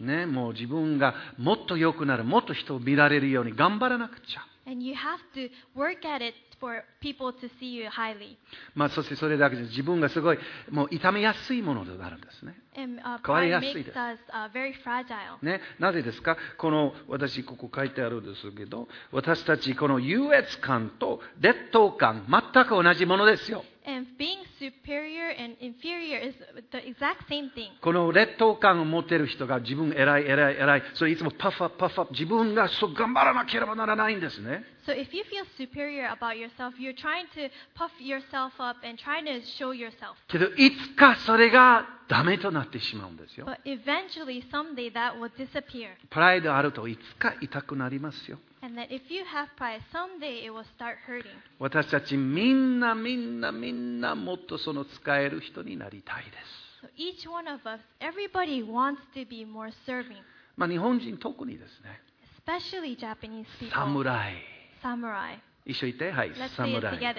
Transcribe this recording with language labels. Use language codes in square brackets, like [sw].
[ja] ね、もう自分がもっと良くなる、もっと人を見られるように頑張らなくちゃ。 [en] And you have to work at it for people to see you highly. [ja] まあ、そしてそれだけじゃ自分がすごいもう痛みやすいものであるんですね。変わりやすいです。 [en] Very fragile. [ja] ね、なぜですか？この私ここ書いてあるんですけど、私たちこの優越感と劣等感全く同じものですよ。 [en] And being superior and inferior is the exact same thing. [ja] この劣等感を持っている人が自分偉い偉い偉い、それいつもパフアップパフアップ、自分がそう頑張らなければならないんですね。 [en] So if you feel superior about yourself, you're trying to puff yourself up and trying to show yourself. [ja] けどいつかそれがダメとなってしまうんですよ。 [en] But eventually, someday that will disappear. [ja] プライドあるといつか痛くなりますよ。 [en] And that if you have pride, someday it will start hurting. [ja] 私たちみんなみんなみんなもっとその使える人になりたいです。 [en] So each one of us, everybody wants to be more serving. [ja] まあ日本人特にですね。 [en] Especially Japanese people. [ja] 侍。 [en] Samurai. [ja] 一緒に言って、はい、サムライ。